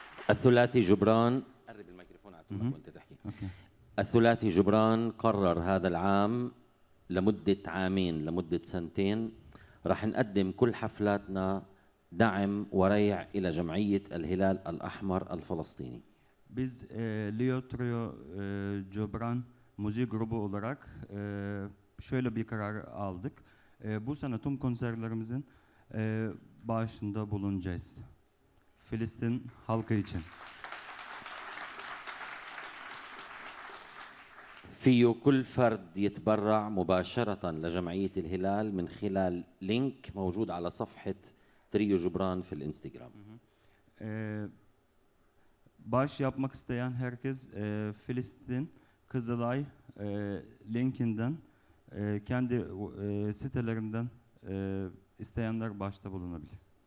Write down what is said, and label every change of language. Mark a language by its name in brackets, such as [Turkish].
[Arabic] الثلاثي جبران قرب الميكروفون على طول وانت تحكي. الثلاثي جبران قرر هذا العام لمدة عامين لمدة سنتين راح نقدم كل حفلاتنا دعم وريع إلى جمعية الهلال الأحمر الفلسطيني. [Turkish] Biz Leo Trio Jubran müzik grubu olarak şöyle bir karar aldık. Bu sene tüm konserlerimizin bağışında bulunacağız. Filistin halkı için. [Arabic] في كل فرد يتبرع مباشرة لجمعية الهلال من خلال لينك موجود على صفحة تريو جبران في الانستغرام. باش [Turkish] yapmak isteyen herkes Filistin Kızılay linkinden kendi sitelerinden isteyenler başta bulunabilir.